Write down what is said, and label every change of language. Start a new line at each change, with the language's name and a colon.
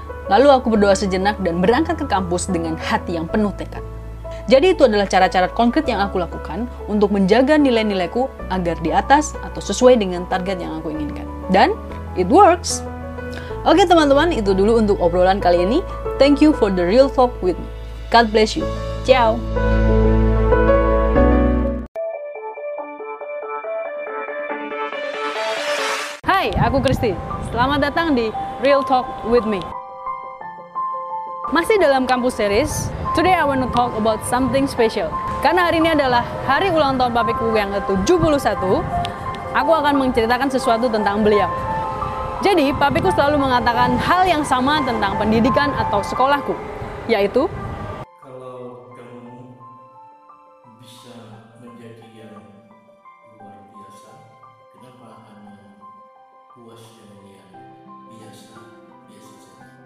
Indonesian: Lalu aku berdoa sejenak dan berangkat ke kampus dengan hati yang penuh tekad. Jadi itu adalah cara-cara konkret yang aku lakukan untuk menjaga nilai-nilaiku agar di atas atau sesuai dengan target yang aku inginkan. Dan
English: it works!
Indonesian: Oke teman-teman, itu dulu untuk obrolan kali ini.
English: Thank you for the real talk with me. God bless you. Ciao!
Indonesian: Hai, aku Kristi. Selamat datang di Real Talk With Me. Masih dalam kampus series,
English: today I want to talk about something special.
Indonesian: Karena hari ini adalah hari ulang tahun papiku yang ke-71, aku akan menceritakan sesuatu tentang beliau. Jadi, papiku selalu mengatakan hal yang sama tentang pendidikan atau sekolahku, yaitu... Kalau kamu bisa menjadi yang luar biasa, kenapa hanya puas dengan yang biasa-biasa saja?